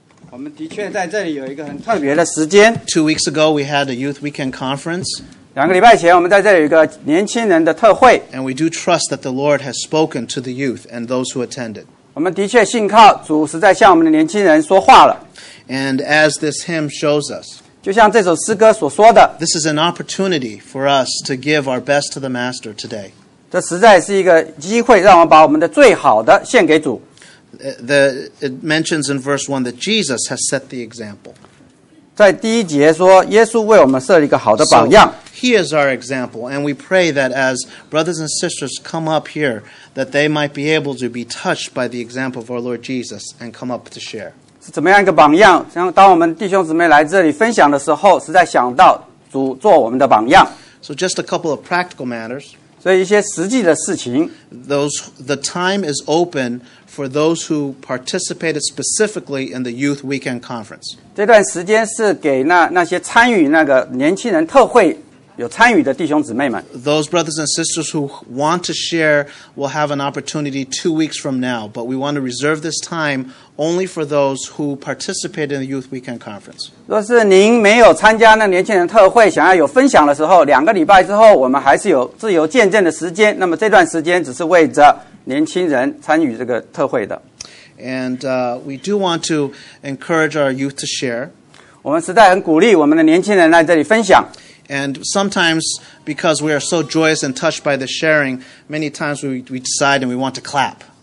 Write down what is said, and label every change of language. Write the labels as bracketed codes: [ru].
[zh] 我们的确在这里有一个很特别的时间。 [en] 2 weeks ago, we had a youth weekend conference. [zh] 2个礼拜前，我们在这里有一个年轻人的特会。 [en] And we do trust that the Lord has spoken to the youth and those who attended. [zh] 我们的确信靠主实在向我们的年轻人说话了。 [en] And as this hymn shows us, [zh] 就像这首诗歌所说的, [en] this is an opportunity for us to give our best to the Master today. [zh] 这实在是一个机会让我们把我们的最好的献给主。 [en] It mentions in verse 1 that Jesus has set the example. [zh] 在第一节说,耶稣为我们设了一个好的榜样。 [en] So, he is our example, and we pray that as brothers and sisters come up here, that they might be able to be touched by the example of our Lord Jesus and come up to share. [zh] 是怎么样一个榜样? 像当我们弟兄姊妹来这里分享的时候, 实在想到主做我们的榜样。 [en] So just a couple of practical matters. [zh] 所以一些实际的事情, [en] the time is open for those who participated specifically in the Youth Weekend Conference. [zh] 这段时间是给那些参与那个年轻人特会有参与的弟兄姊妹们。 [en] Those brothers and sisters who want to share will have an opportunity 2 weeks from now, but we want to reserve this time only for those who participate in the Youth Weekend Conference. [zh] 若是您没有参加那年轻人特会，想要有分享的时候，两个礼拜之后，我们还是有自由见证的时间。那么这段时间只是为着 年轻人参与这个特会的。 [en] And we do want to encourage our youth to share. [zh] 我们实在很鼓励我们的年轻人来这里分享。 [en] And sometimes, because we are so joyous and touched by the sharing, many times we decide and we want to clap.